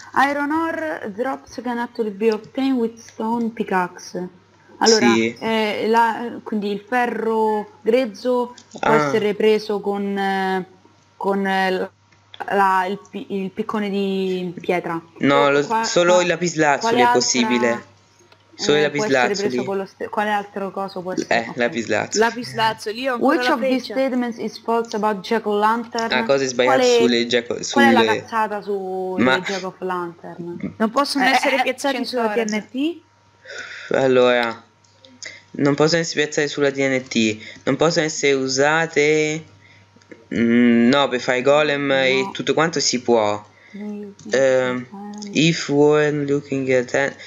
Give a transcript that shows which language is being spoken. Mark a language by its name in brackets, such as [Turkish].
[English] Iron ore drops can actually be obtained with stone pickaxe. [Italian] Allora, sì. Quindi il ferro grezzo può essere preso con il piccone di pietra. No, solo il lapislazzoli è possibile. Solo il lapislazzoli. Quale altro coso può essere? Lapislazzoli. Lapislazzoli, io ancora [English] Which of these statements is false about Jack o' Lantern? [Italian] Ah, cosa è sbagliato sulle Jack sulle... Qual è la cazzata sulle Jack o' Lantern? Non possono essere piazzati sulla TNT? Allora... Non possono essere piazzate sulla TNT. Non possono essere usate. No, per fare golem no. E tutto quanto si può. If one looking at.